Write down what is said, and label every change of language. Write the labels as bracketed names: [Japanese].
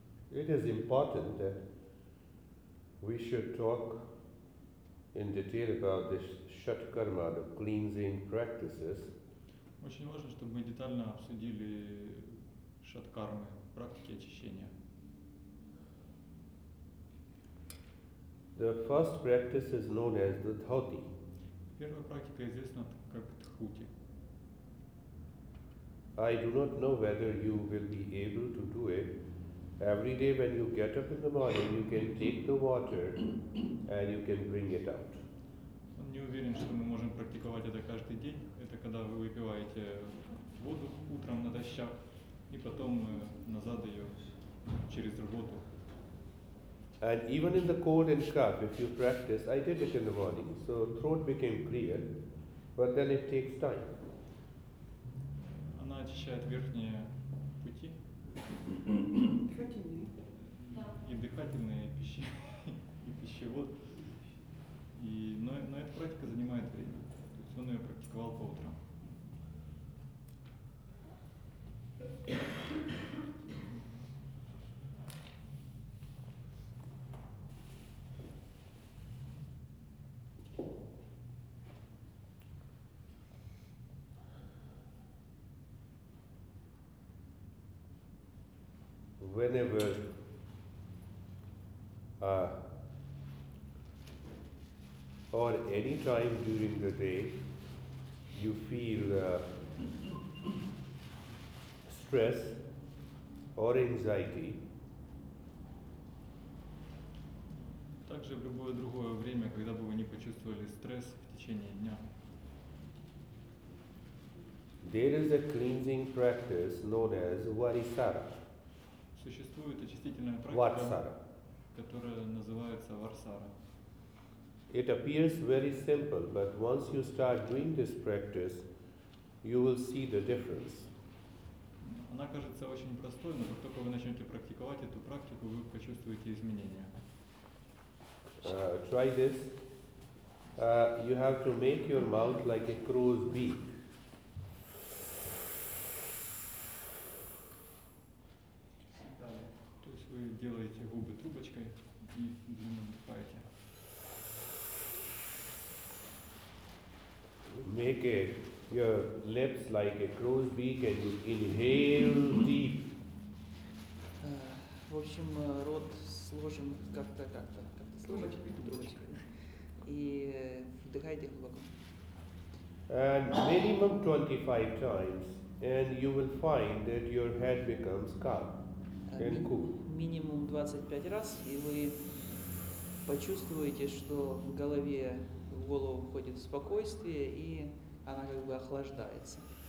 [English] It is important that we should talk in detail about this shatkarma, the cleansing practices. [Russian] Очень важно, чтобы мы детально обсудили шаткармы, практики очищения. [English] The first practice is known as the dhoti. [Russian] Первая практика известна как дхоти. [English] I do not know whether you will be able to do it. Every day when you get up in the morning, you can take the water and you can bring it out. [Russian] Он не уверен, что мы можем практиковать это каждый день. Это когда вы выпиваете воду утром на дощах и потом назад ее через рвоту. [English] And even in the cold and cough, if you practice, I did it in the morning, so throat became clear, but then it takes time. [Russian] Она очищает верхние пути. Дыхательные. И дыхательные, и пищи, и пищевод. И, но эта практика занимает время. То есть он ее практиковал по утрам. [English] Whenever or any time during the day you feel stress or anxiety, [Russian] также в любое другое время, когда бы вы не почувствовали стресс в течение дня, [English] there is a cleansing practice known as Varisara. [Russian] Существует очистительная практика, которая называется Варсара. [English] It appears very simple, but once you start doing this practice, you will see the difference. [Russian] Она кажется очень простой, но как только вы начнете практиковать эту практику, вы почувствуете изменения. [English] Try this. You have to make your mouth like a crow's beak. [Russian] Делаете губы трубочкой и длинно вдыхаете. [English] Make your lips like a crow's beak and you inhale deep. [Russian] В общем, рот сложим как-то сложим трубочкой и вдыхайте глубоко. [English] And minimum 25 times, and you will find that your head becomes calm and cool. [Russian] Минимум 25 раз, и вы почувствуете, что в голове, в голову входит спокойствие, и она как бы охлаждается.